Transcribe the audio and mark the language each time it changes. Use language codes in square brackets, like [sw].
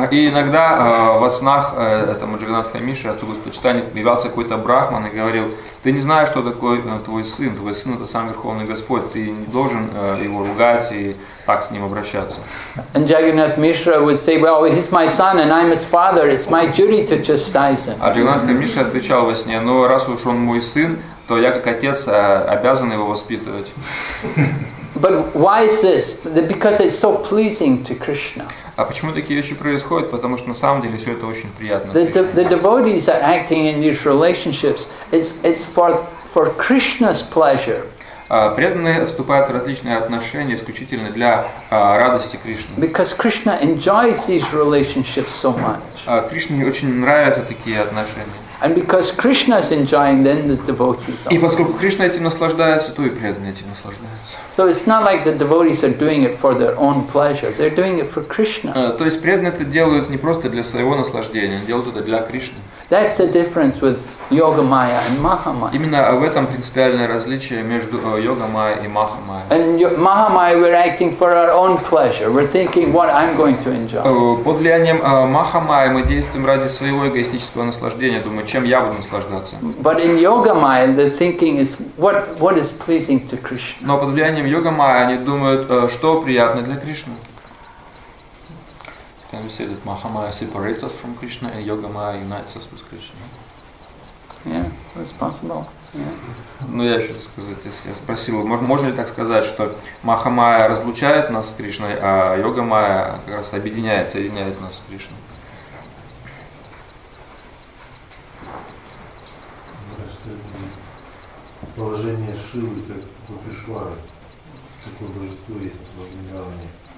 [ru] И иногда во снах этому Джаганатха Мишра, отцу Господа Чайтаньи, являлся какой-то Брахман и говорил, ты не знаешь, что такое твой сын это сам Верховный Господь, ты не должен его ругать и так с ним обращаться. [en] And Jagannath Mishra would say, well, he's my son and I'm his father, it's my duty to chastise him. [ru] А Джаганатха Мишра отвечал во сне, ну раз уж он мой сын, то я как отец обязан его воспитывать. [en] But why is this? Because it's so pleasing to Krishna. [ru] А почему такие вещи происходят? Потому что на самом деле все это очень приятно. [en] The devotees are acting in these relationships. It's for Krishna's pleasure. [ru] Преданные вступают в различные отношения исключительно для радости Кришны. [en] Because Krishna enjoys these relationships so much. [ru] Кришне очень нравятся такие отношения. [en] And because Krishna is enjoying, then the devotees are. [ru] И поскольку Кришна этим наслаждается, то и преданные этим наслаждаются. [en] So it's not like the devotees are doing it for their own pleasure. They're doing it for Krishna. [ru] То есть преданные это делают не просто для своего наслаждения, они делают это для Кришны. [en] That's the difference with Yoga Maya and Mahamaya. [ru] Именно в этом принципиальное различие между Yoga Maya и Mahamaya. [en] And Mahamaya, we're acting for our own pleasure. We're thinking what I'm going to enjoy. [ru] Под влиянием Mahamaya мы действуем ради своего эгоистического наслаждения, думаю, чем я буду наслаждаться. [en] But in Yoga Maya, the thinking is what is pleasing to Krishna. [ru] Но под влиянием Yoga Maya они думают, что приятно для Кришны. [en] Can we say that Mahamaya separates us from Krishna and Yoga Maya unites us with Krishna? Yeah, that's possible. [ru] Ну я еще сказать, если я спросил, можно ли так сказать, что Mahamaya разлучает нас с Кришной, а Yoga Maya как раз объединяет, соединяет нас с Кришной? Что это положение Шивы как Купишвары, такое божество есть в Вриндаване.